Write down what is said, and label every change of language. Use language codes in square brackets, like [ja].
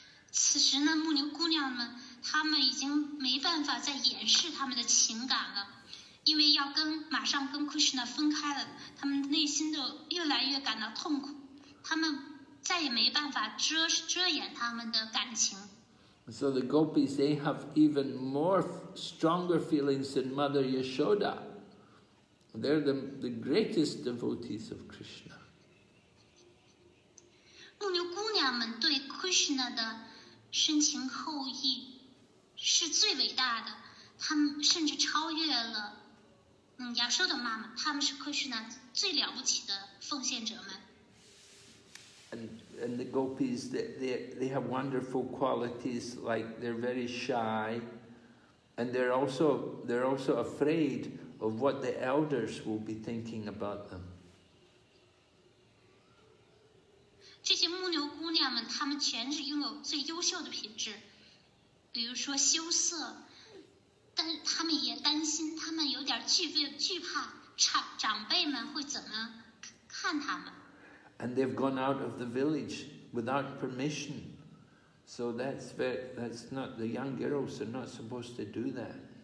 [zh] 此时呢，牧牛姑娘们，她们已经没办法再掩饰她们的情感了，因为要马上跟 Krishna 分开了，她们内心就越来越感到痛苦，她们再也没办法遮掩她们的感情。 [en] So the gopis, they have even more stronger feelings than Mother Yashoda. They're the greatest devotees of Krishna. [zh] 牧牛姑娘们对 Krishna 的深情厚谊是最伟大的，她们甚至超越了Yashoda 妈妈，她们是 Krishna 最了不起的奉献者们。 [en] And the gopis, they have wonderful qualities, like they're very shy, and they're also afraid of what the elders will be thinking about them. [zh] 这些牧牛姑娘们，她们全是拥有最优秀的品质，比如说羞涩，但她们也担心，她们有点惧怕长辈们会怎么看她们。 [en] And they've gone out of the village without permission. So that's not, the young girls are not supposed to do that.